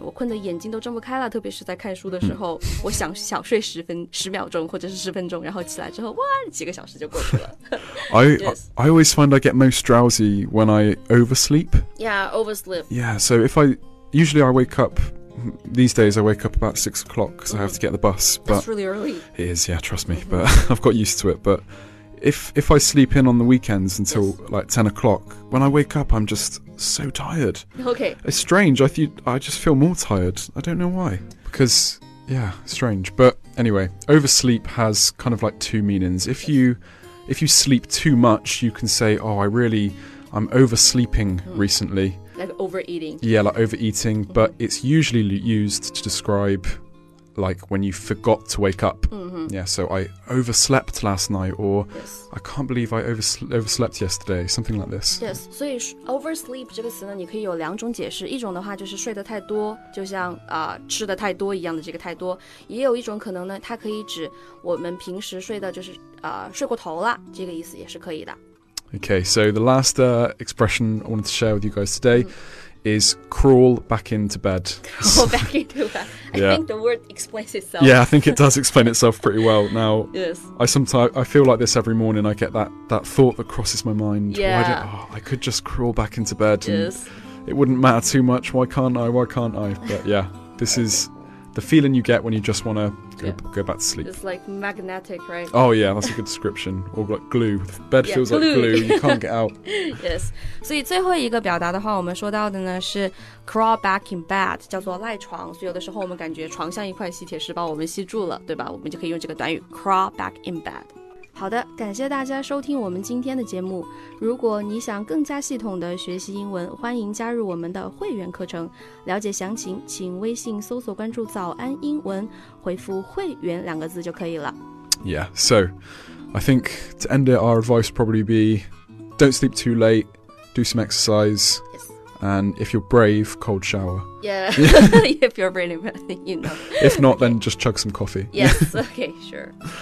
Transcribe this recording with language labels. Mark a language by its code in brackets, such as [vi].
[zh] 我困得眼睛都睁不开了，特别是在看书的时候，我想小睡十秒钟或者是十分钟，然后起来之后，哇，几个小时就过去了。 [en] I always find I get most drowsy when I oversleep. Yeah, oversleep. Yeah, so if I, usually I wake up, these days I wake up about 6 o'clock because I have to get the bus. But that's really early. It is, yeah, trust me. Mm-hmm. But I've got used to it, butIf I sleep in on the weekends until, yes. like, 10 o'clock, when I wake up, I'm just so tired. Okay. It's strange. I just feel more tired. I don't know why. Because, yeah, strange. But anyway, oversleep has kind of, like, two meanings. If you sleep too much, you can say, oh, I'm oversleeping recently. Like overeating. Yeah, like overeating. Mm-hmm. But it's usually used to describe... like when you forgot to wake up. Mm-hmm. Yeah, so I overslept last night, or yes. I can't believe I overslept yesterday, something like this. Yes, [zh] 所以 oversleep 这个词呢你可以有两种解释，一种的话就是睡得太多，就像、吃得太多一样的这个太多，也有一种可能呢它可以指我们平时睡的就是、睡过头了，这个意思也是可以的。 [en] Okay, so the last expression I wanted to share with you guys today、mm-hmm. is crawl back into bed. Crawl back into bed. I yeah. think the word explains itself. Yeah, I think it does explain itself pretty well. Now, yes. I feel like this every morning. I get that thought that crosses my mind. Yeah. I could just crawl back into bed. And yes. It wouldn't matter too much. Why can't I? But yeah, this is the feeling you get when you just want to go back to sleep. It's like magnetic, right? Oh, yeah, that's a good description. Or like glue. Bed feels like glue. You can't get out. Yes. [zh] 所以最后一个表达的话我们说到的呢是 [en] crawl back in bed, [zh] 叫做赖床。所以有的时候我们感觉床像一块吸铁石把我们吸住了，对吧？我们就可以用这个短语 [en] crawl back in bed。 [zh] 好的，感谢大家收听我们今天的节目。如果你想更加系统的学习英文，欢迎加入我们的会员课程。了解详情，请微信搜索关注“早安英文”，回复“会员”两个字就可以了。 [en] Yeah, so I think to end it, our advice probably be: don't sleep too late, do some exercise. Yes. And if you're brave, cold shower. Yeah. If you're brave, you know. If not, then just chug some coffee. Yes. Okay. Sure.